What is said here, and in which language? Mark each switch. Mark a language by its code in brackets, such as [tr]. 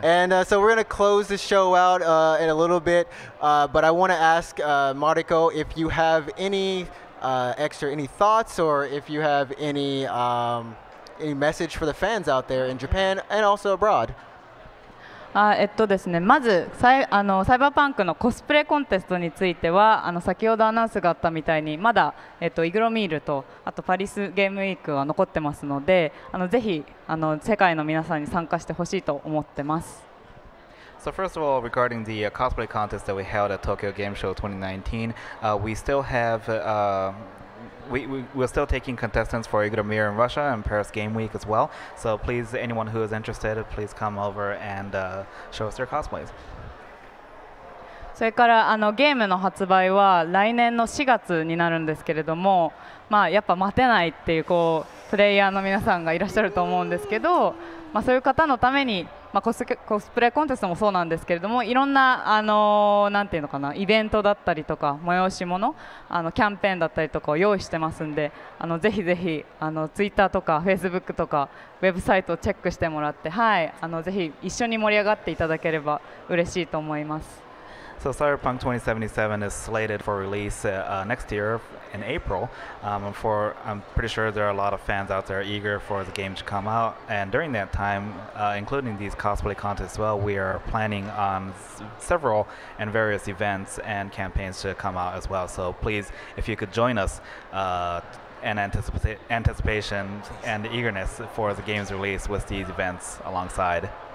[en] And、so we're going to close the show out、in a little bit.、but I want to ask、Mariko if you have any、extra any thoughts or if you have any message for the fans out there in Japan and also abroad. [ja] ですね、まずサイバーパンクのコスプレコンテストについては、先ほどアナウンスがあったみたいにまだ、イグロミールとあとパリスゲームウィークは残ってますので、ぜひ世界の皆さんに参加してほしいと思ってます。 [en] So first of all, regarding the、cosplay contest that we held at Tokyo Game Show 2019、we still have、we're still taking contestants for Igramir in Russia and Paris Game Week as well. So please, anyone who is interested, please come over and、show us your cosplays. [ja] それからゲームの発売は来年の4月になるんですけれども、まあ、やっぱ待てないっていう、こうプレイヤーの皆さんがいらっしゃると思うんですけど、まあ、そういう方のために、まあ、コスプレコンテストもそうなんですけれども、いろんな、なんていうのかな、イベントだったりとか催し物、キャンペーンだったりとかを用意してますんで、ぜひぜひツイッターとかフェイスブックとかウェブサイトをチェックしてもらって、はい、ぜひ一緒に盛り上がっていただければ嬉しいと思います。 [en] So Cyberpunk 2077 is slated for release、next year in April、for, I'm pretty sure there are a lot of fans out there eager for the game to come out, and during that time、including these cosplay contests as well, we are planning on several and various events and campaigns to come out as well. So please, if you could join us、in anticipation and eagerness for the game's release with these events alongside.